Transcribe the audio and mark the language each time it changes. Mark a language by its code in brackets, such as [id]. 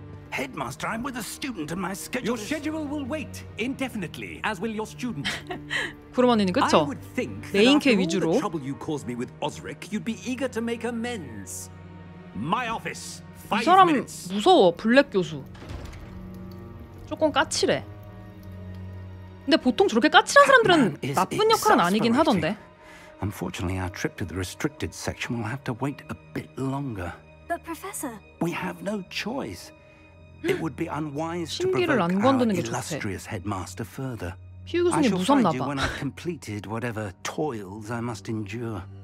[en] Headmaster, I'm with a student and my schedule. Your schedule will wait indefinitely, as will your student. [ko] 그럼 언니 그쵸? 메인캐 위주로. [en] After all the trouble you caused me with Osric, you'd be eager to make amends. My office. [ko] 이 사람 무서워, 블랙 교수. 조금 까칠해. 근데 보통 저렇게 까칠한 사람들은 나쁜 역할은 아니긴 하던데. [en] Unfortunately, our trip to the restricted section will have to wait a bit longer. But Professor, we have no choice. It would be unwise to provoke our illustrious headmaster further. I shall find you when I've completed whatever toils I must endure.